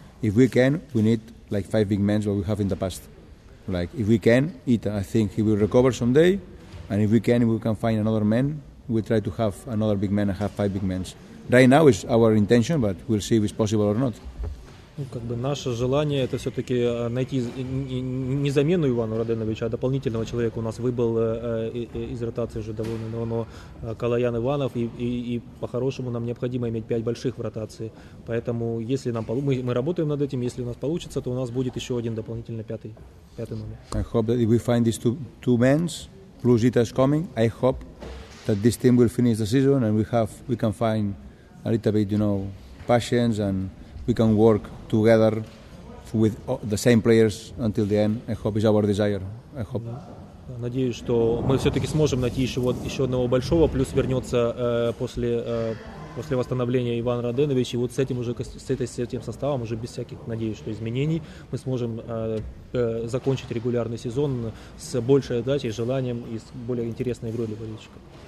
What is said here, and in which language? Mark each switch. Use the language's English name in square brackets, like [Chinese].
[English] If we can, we need like 5 big men what we have in the past. Like, if we can, Ita, I think he will recover someday. And if we can, we can find another man, we'll try to have another big man and have 5 big men. Right now is our intention, but we'll see if it's possible or not. [Russian] Ну, как бы наше желание это все-таки найти не замену Ивану Раденовичу, а дополнительного человека. У нас выбыл из ротации уже довольно давно Калаян Иванов, и по-хорошему нам необходимо иметь 5 больших в ротации. Поэтому если нам мы работаем над этим, если у нас получится, то у нас будет еще один дополнительно пятый номер. [English] I hope that if we find these two men, plus Itas coming, I hope that this team will finish the season and we can find a little bit, you know, patience and we can work together with the same players until the end. I hope it's our desire. I hope. [Russian] Надеюсь, что мы все-таки сможем найти еще одного большого, плюс вернется после восстановления Иван Раденович, и вот с этим уже с этим составом, уже без всяких надеюсь, что изменений, мы сможем закончить регулярный сезон с большей отдачей, желанием и с более интересной игрой для болельщиков.